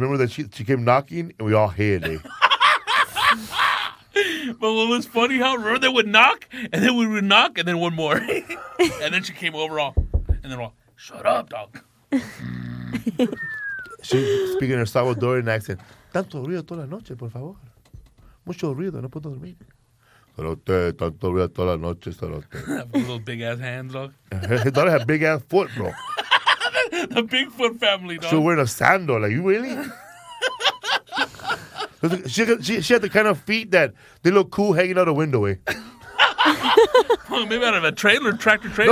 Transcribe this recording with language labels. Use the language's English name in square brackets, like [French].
[English] Remember that she came knocking, and we all hid it. But what was funny, how remember they would knock, and then we would knock, and then one more. And then she came over all, and then all, shut up, dog. She's speaking her Salvadorian accent. [Spanish] Tanto ruido toda la noche, por favor. Mucho ruido, no puedo dormir. Salute, tanto ruido toda la noche, salute. [English] Little big-ass hands, dog. His daughter had big-ass foot, bro. The Bigfoot family, dog. She was wearing a sandal. Like, you really? She had the kind of feet that they look cool hanging out a window. Maybe out of a trailer, tractor trailer.